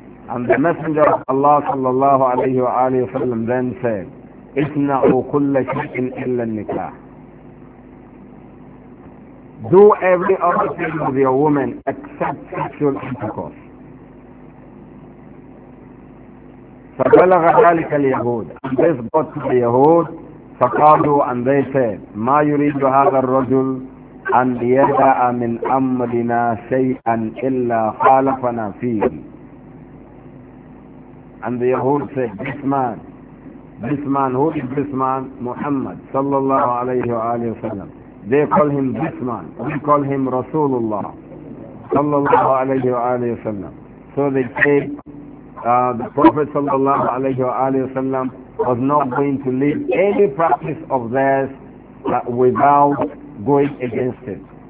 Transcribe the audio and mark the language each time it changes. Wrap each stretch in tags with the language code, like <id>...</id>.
<en>And the Messenger of Allah</en> <ar>صلى الله عليه وآله وسلم then said, اصنعوا كل شيء إلا النكاح.</ar> <en>Do every other thing with your woman except sexual intercourse.</en> <ar>فبلغ ذلك اليهود.</ar> <en>And this got to the Yahud.</en> <ar>فقالوا,</ar> <en>and they said,</en> <ar>ما يريد هذا الرجل أن يدع من أمرنا شيئا إلا خالفنا فيه.</ar> <en>And the Yahud said, this man, who is this man? Muhammad sallallahu alayhi wa alayhi wa sallam. They call him this man, we call him Rasulullah sallallahu alayhi wa alayhi wa sallam. So they say, the Prophet sallallahu alayhi wa alayhi wa sallam was not going to leave any practice of theirs without going against it.</en>